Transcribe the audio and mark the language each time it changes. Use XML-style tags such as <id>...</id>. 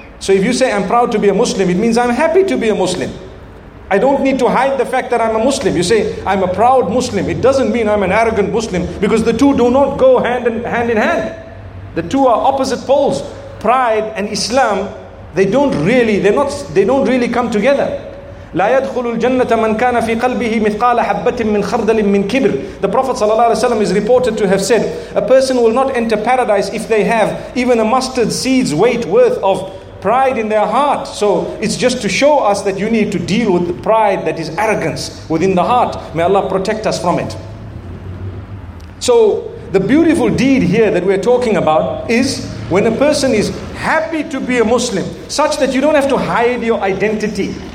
<en>So if you say, I'm proud to be a Muslim, it means I'm happy to be a Muslim. I don't need to hide the fact that I'm a Muslim. You say, I'm a proud Muslim. It doesn't mean I'm an arrogant Muslim, because the two do not go hand in hand. The two are opposite poles. Pride and Islam, they don't really come together.</en> <ar>لا يدخل الجنة من كان في قلبه مثقال حبة من خردل من كبر.</ar> <en>The Prophet</en> <ar>صلى الله عليه وسلم</ar> <en>is reported to have said, a person will not enter paradise if they have even a mustard seed's weight worth of pride in their heart. So it's just to show us that you need to deal with the pride that is arrogance within the heart. May Allah protect us from it. So the beautiful deed here that we're talking about is when a person is happy to be a Muslim, such that you don't have to hide your identity.</en>